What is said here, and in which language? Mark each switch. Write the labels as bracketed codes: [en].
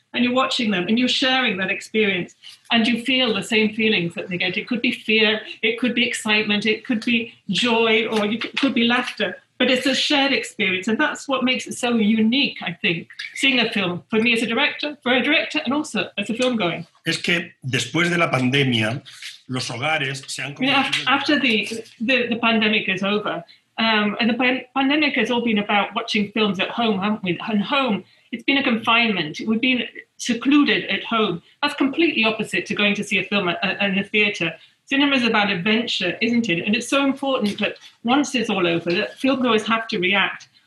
[en] And you're watching them and you're sharing that experience and you feel the same feelings that they get. It could be fear, it could be excitement, it could be joy, or it could be laughter. But it's a shared experience, and that's what makes it so unique, I think, seeing a film, for me as a director, for a director, and also as a film going. [es] Es que después de la pandemia, los hogares se han convertido... [en] After the pandemic is over, and the pandemic has all been about watching films at home, haven't we? And home, it's been a confinement. We've been secluded at home. That's completely opposite to going to see a film in a theatre. Cinema is about adventure, isn't it? And it's so important that once it's all over, that filmgoers have to react.